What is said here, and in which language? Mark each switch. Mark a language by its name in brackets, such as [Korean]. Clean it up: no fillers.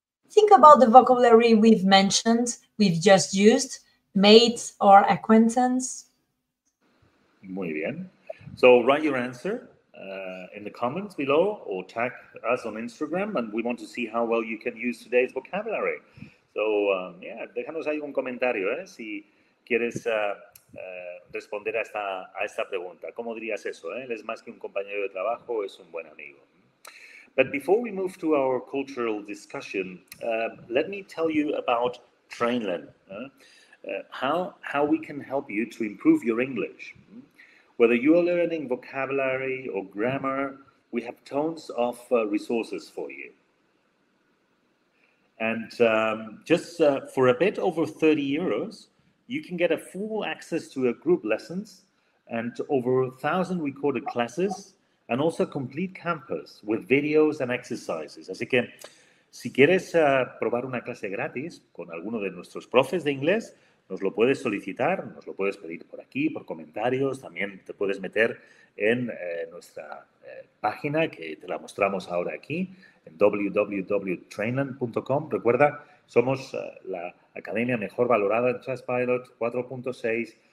[English] Think about the vocabulary we've mentioned, we've just used, mates or acquaintance. [Spanish] Muy bien. [English] So write your answer in the comments below or tag us on Instagram and we want to see how well you can use today's vocabulary. [Spanish] So, déjanos ahí un comentario, si quieres responder a esta pregunta. ¿Cómo dirías eso, Él es más que un compañero de trabajo, es un buen amigo. [English] But before we move to our cultural discussion, let me tell you about Trainland. How we can help you to improve your English. Whether you are learning vocabulary or grammar, we have tons of resources for you. And just for a bit over 30 euros, you can get a full access to a group lessons and over 1,000 recorded classes and also a complete campus with videos and exercises. [Spanish] Así que si quieres probar una clase gratis con alguno de nuestros profes de inglés, nos lo puedes solicitar, nos lo puedes pedir por aquí, por comentarios. También te puedes meter en nuestra página que te la mostramos ahora aquí. www.trainland.com. Recuerda, somos la academia mejor valorada en Trustpilot, 4.6.